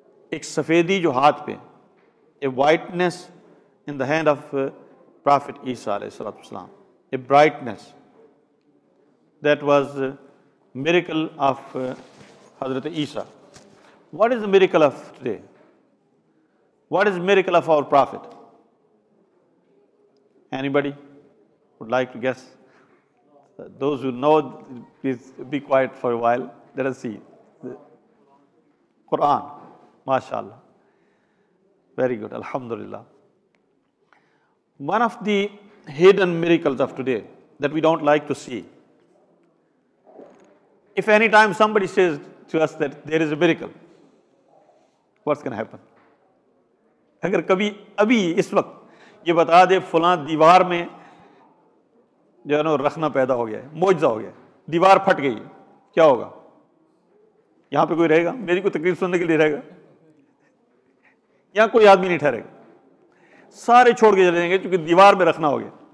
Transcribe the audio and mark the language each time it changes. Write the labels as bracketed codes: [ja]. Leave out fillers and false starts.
[ur] ایک سفیدی جو ہاتھ پہ، [en] A whiteness in the hand of prophet Isa علیہ الصلوۃ والسلام، a brightness, that was miracle of Hazrat Isa. What is the miracle of today? What is miracle of our prophet? Anybody would like to guess? Those who know, please be quiet for a while. Let us see. The Quran. MashaAllah. Very good. Alhamdulillah. One of the hidden miracles of today that we don't like to see. If any time somebody says to us that there is a miracle, what's going to happen? [ur] اگر کبھی ابھی اس وقت یہ بتا دے فلاں دیوار میں جو ہے نا رخنا پیدا ہو گیا ہے, معجزہ ہو گیا ہے, دیوار پھٹ گئی, کیا ہوگا؟ یہاں پہ کوئی رہے گا؟ میری کوئی تقریر سننے کے لیے رہے گا؟ یہاں کوئی آدمی نہیں ٹھہرے گا, سارے چھوڑ کے چلے جائیں گے چونکہ دیوار میں رکھنا ہو گیا.